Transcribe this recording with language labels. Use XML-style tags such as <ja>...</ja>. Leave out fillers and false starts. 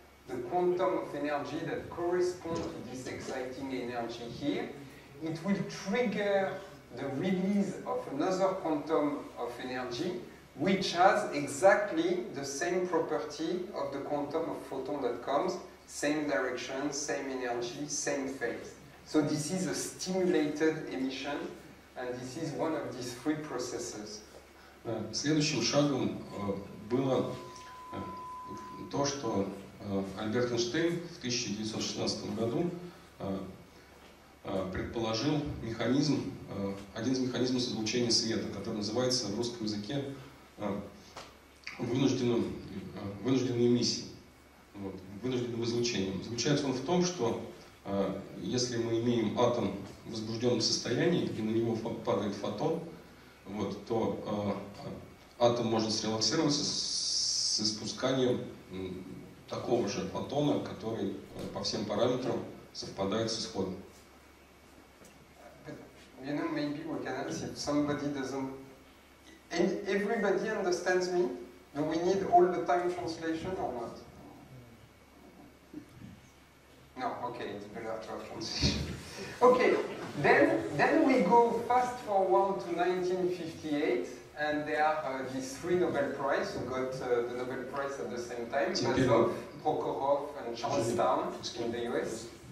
<en>the quantum of energy that corresponds to this exciting energy here, it will trigger the release of another quantum of energy which has exactly the same property of the quantum of photon that comes, same direction, same energy, same phase. So this is a stimulated emission, and this is one of these three processes.</en> <ru>Следующим шагом было то, что Альберт Эйнштейн в 1916 году предположил механизм, один из механизмов излучения света, который называется в русском языке вынужденной эмиссией, вот, вынужденным излучением. Заключается он в том, что если мы имеем атом в возбужденном состоянии, и на него падает фотон, вот, то атом может срелаксироваться с испусканием такого же фотона, который по всем параметрам совпадает с исходом.</ru> <en>You know, maybe we can ask if somebody doesn't... And everybody understands me? Do we need all the time translation or not? No, okay, it's better to have translation. Okay, then we go fast forward to 1958, and there are these three Nobel Prize, who got the Nobel Prize at the same time, Maslov, Prokhorov, and Charlestown in the US.</en>